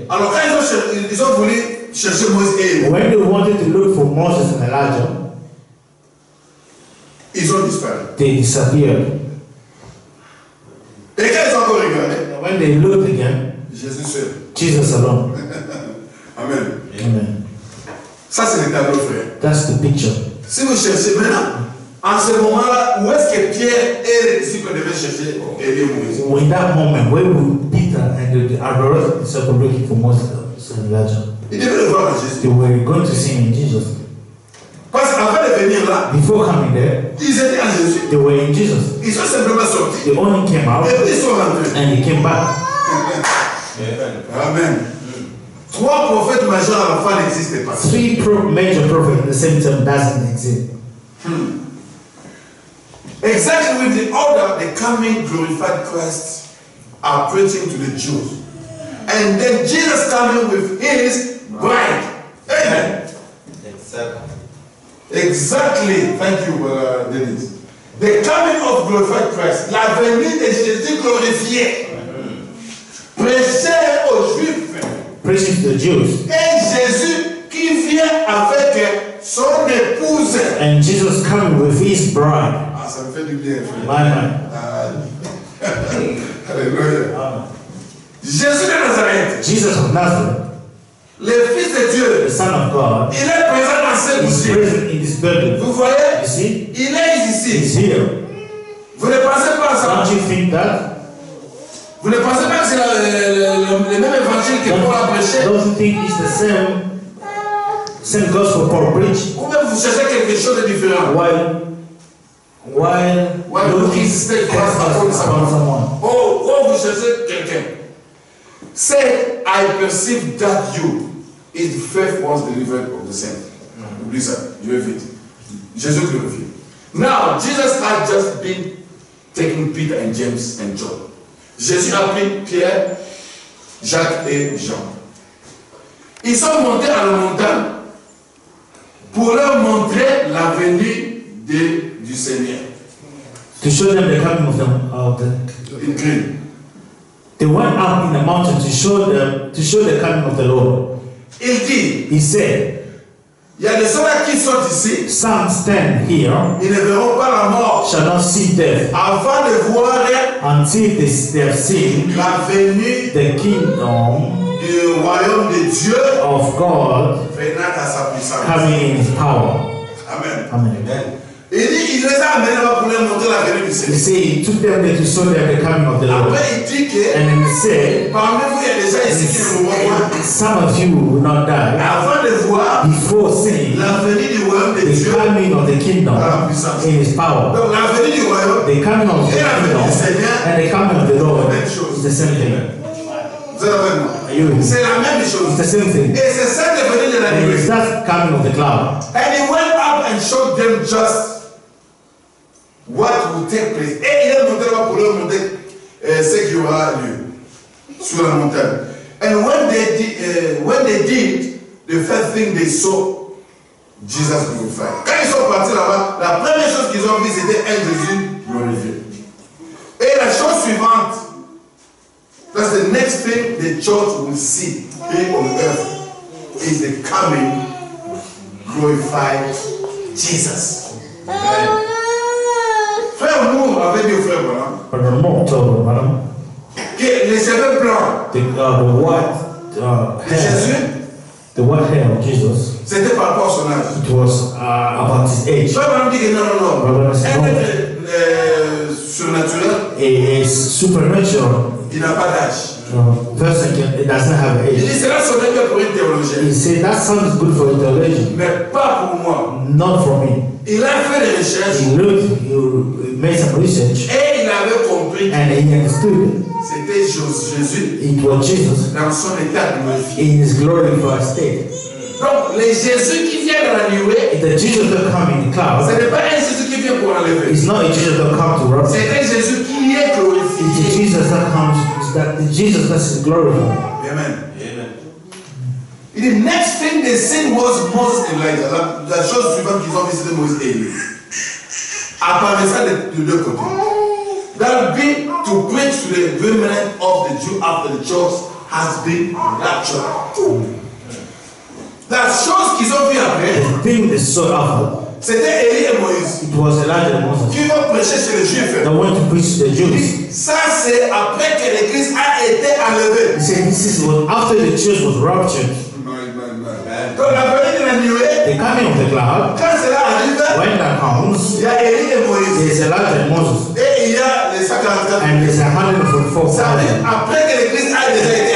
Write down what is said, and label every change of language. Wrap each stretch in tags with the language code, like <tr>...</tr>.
<fr>Alors quand ils ont voulu chercher Moïse et Élie.</fr> <en>When they wanted to look for Moses and Elijah,</en> <fr>ils ont disparu.</fr> <en>They disappeared.</en> <fr>Et quand ils ont regardé,</fr> <en>when they looked again,</en> <fr>Jésus seul.</fr> <en>Jesus alone.</en> <fr>Amen.</fr> <en>Amen.</en> <fr>Ça c'est le tableau, frère.</fr> <en>That's the picture.</en> <fr>Si vous cherchez maintenant, en ce moment-là, où est-ce que Pierre et les disciples devaient chercher Élie ou Moïse?</fr> <en>In that moment, where would Peter and the other disciples looking for Moses and Elijah?</en> <fr>Ils devaient le voir en Jésus.</fr> <en>They were going to see him in Jesus.</en> <fr>Parce qu'avant de venir là,</fr> <en>before coming there,</en> <fr>ils étaient en Jésus.</fr> <en>They were in Jesus.</en> <fr>Ils sont simplement sortis.</fr> <en>They only came out.</en> <fr>Et puis ils sont rentrés.</fr> <en>And they came back. Amen.</en> <fr>Trois prophètes majeurs à la fin n'existent pas.</fr> <en>Three major prophets in the same time doesn't exist. Exactly with the order the coming glorified Christ are preaching to the Jews. And then Jesus coming with his bride. Amen. Exactly. Thank you, Denis. The coming of glorified Christ,</en> <fr>la venue de Jésus glorifié. Prêcher aux Juifs.</fr> <en>Preaching to the Jews.</en> <fr>Et Jésus qui vient avec son épouse.</fr> <en>And Jesus coming with his bride.</en> <fr>Ah, ça me fait du bien.</fr> <en>My man.</en> <fr>Alléluia. Jésus de Nazareth.</fr> <en>Jesus of Nazareth.</en> <fr>Le Fils de Dieu.</fr> <en>The Son of God.</en> <fr>Il est présent dans cette</fr> <en>ici. He's present in this building.</en> <fr>Vous voyez?</fr> <en>You see?</en> <fr>Il est ici.</fr> <en>He's here.</en> <fr>Vous ne pensez pas à ça?</fr> <en>Don't you think that?</en> <fr>Vous ne pensez pas que c'est le même évangile que Paul a prêché?</fr> <en>Don't you think it's the same gospel Paul preached?</en> <fr>Pourquoi vous cherchez quelque chose de différent?</fr> <en>Why looking at someone? Oh, oh,</en> <fr>vous cherchez quelqu'un?</fr> <en>Say, I perceive that you is the faith once delivered of the saint.</en> <fr>Oublie ça, Dieu est vite. Jésus glorifié.</fr> <en>Now, Jesus had just been taking Peter and James and John.</en> <fr>Jésus a pris Pierre, Jacques et Jean. Ils sont montés à la montagne pour leur montrer la venue du Seigneur.</fr> <en>To show them the coming of the in green. They went up in the mountain to show the coming of the Lord.</en> <fr>Il dit,</fr> <en>he said,</en> <fr>il y a des soldats qui sont ici.</fr> <en>Some stand here.</en> <fr>Ils ne verront pas la mort.</fr> <en>Shall not see death.</en> <fr>Avant de voir.</fr> <en>Until they have seen.</en> <fr>La venue.</fr> <en>The kingdom.</en> <fr>Du royaume de Dieu.</fr> <en>Of God.</en> <fr>Venant à sa puissance.</fr> <en>Coming in his power.</en> <fr>Amen.</fr> <en>Amen.</en> <fr>Il dit, il les a amenés là pour leur montrer la venue du Seigneur.</fr> <en>You see, he took them there to show them the coming of the Lord.</en> <fr>Après, il dit que.</fr> <en>And then he said.</en> <fr>Parmi vous, il y a des gens ici qui ne vont pas.</fr> <en>Some of you will not die.</en> <fr>Avant de voir.</fr> <en>Before seeing.</en> <fr>La venue du royaume de Dieu.</fr> <en>The coming of the kingdom. In his power.</en> <fr>Donc, la venue du royaume.</fr> <en>The coming of the kingdom. And the coming of the Lord. The same thing.</en> <fr>C'est la même chose.</fr> <en>It's the same thing.</en> <fr>Et c'est ça la venue de la nuit.</fr> <en>It's that coming of the cloud. And he went up and showed them just. What will take place?</en> <fr>Et il a monté là pour leur montrer ce qui aura lieu sur la montagne.</fr> <en>And when they did, the first thing they saw, Jesus glorified.</en> <fr>Quand ils sont partis là-bas, la première chose qu'ils ont vu, c'était un Jésus glorifié. Et la chose suivante,</fr> <en>that's the next thing the church will see here on earth, is the coming glorified Jesus. Amen.</en> <fr>Frère Mou avait dit au frère Branham. Pardon, que les cheveux blancs.</fr> <en>The white hair of Jesus.</en> <fr>C'était par rapport à son âge.</fr> <en>It was about his age.</en> <fr>Frère Branham dit que non.</fr> <en>Brother Branham said, no.</en> <fr>Surnaturel.</fr> <en>It's supernatural.</en> <fr>Il n'a pas d'âge.</fr> <en>Person it does not have age.</en> <fr>Il dit cela sonne bien pour une théologie.</fr> <en>He said that sounds good for a theologian.</en> <fr>Mais pas pour moi.</fr> <en>Not for me.</en> <fr>Il a fait des recherches.</fr> <en>He made some research.</en> <fr>Et il avait compris.</fr> <en>And he understood.</en> <fr>C'était Jésus.</fr> <en>It was Jesus.</en> <fr>Dans son état glorifié.</fr> <en>In his glorified state.</en> <fr>Donc le Jésus qui vient dans la nuée.</fr> <en>The Jesus that come in the cloud.</en> <fr>Ce n'est pas un Jésus qui vient pour enlever.</fr> <en>It's not a Jesus that come to rob.</en> <fr>C'est un Jésus qui est glorifié.</fr> <en>It's a Jesus that comes. That the Jesus that is glorified.</en> <fr>Amen.</fr> <en>Amen. The next thing they seen was Moses and Elijah.</en> <fr>La chose suivante qu'ils ont visité Moïse et Élie. apparaissant de deux côtés.</fr> <en>That will be to preach to the remnant of the Jew after the church has been raptured. That shows</en> <fr>qu'ils ont vu après.</fr> <en>The thing they saw after.</en> <fr>C'était Élie et Moïse.</fr> <en>It was Elijah and Moses.</en> <fr>Qui vont prêcher chez les Juifs.</fr> <en>That went to preach to the Jews.</en> <fr>Ça c'est après que l'Église a été enlevée.</fr> <en>He said this is what after the church was raptured. The coming of the cloud,</en> <fr>quand cela arrive,</fr> <en>when that comes,</en> <fr>il y a Élie et Moïse,</fr> <en>there is Elijah and Moses,</en> <fr>et il y a les 144,</fr> <en>and there's 144,000.</en> <fr>Après que l'Église a déjà été</fr>